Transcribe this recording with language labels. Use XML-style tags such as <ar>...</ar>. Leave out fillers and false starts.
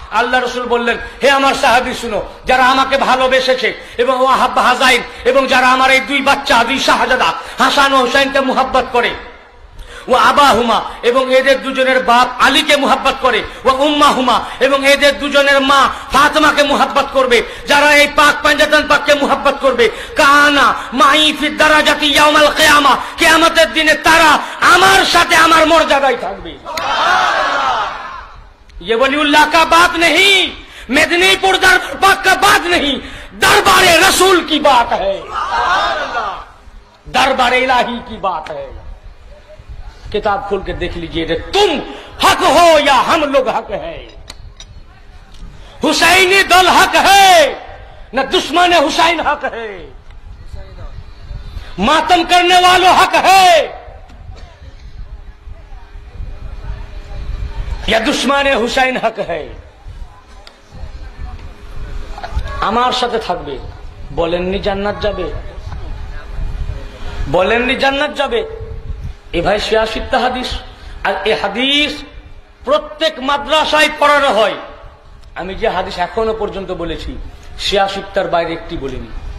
<bn>আল্লাহ রাসূল বললেন, হে আমার সাহাবী শুনো, যারা আমাকে ভালোবেসেছে এবং</bn> <ar>ওয়া হাব্বা হাজাইন,</ar> <bn>এবং যারা আমার এই দুই বাচ্চা দুই শাহজাদা হাসান ও হুসাইনকে মুহাব্বত করে, ওয়া আবাহুমা এবং এদের দুজনের বাপ আলীকে মুহাব্বত করে, ওয়া উম্মাহুমা এবং এদের দুজনের মা ফাতেমাকে মুহাব্বত করবে, যারা এই পাক পাঞ্জাতান পাককে মুহাব্বত করবে,</bn> <ar>কানা মাই ফি দারাজাতি ইয়াউমাল কিয়ামা,</ar> <bn>কিয়ামতের দিনে তারা আমার সাথে আমার মর্যাদায় থাকবে।</bn> <hi>ये वलीउल्लाह का बात नहीं, मेदिनीपुर दरबार पाक का बात नहीं, दरबारे रसूल की बात है, दरबारे इलाही की बात है। किताब खोल के देख लीजिए, तुम हक हो या हम लोग हक है, हुसैनी दल हक है, न दुश्मन हुसैन हक है, मातम करने वालों हक है या दुश्मन हुसैन हक है,</hi> <bn>আমার সাথে থাকবে। বলেননি জান্নাত যাবে, বলেননি জান্নাত যাবে, এ ভাই সিয়াসিত্তা হাদিস। আর এ হাদিস প্রত্যেক মাদ্রাসায় পড়ানো হয়, আমি যে হাদিস এখনো পর্যন্ত বলেছি সিয়াসিত্তার বাইরে একটি বলিনি।</bn>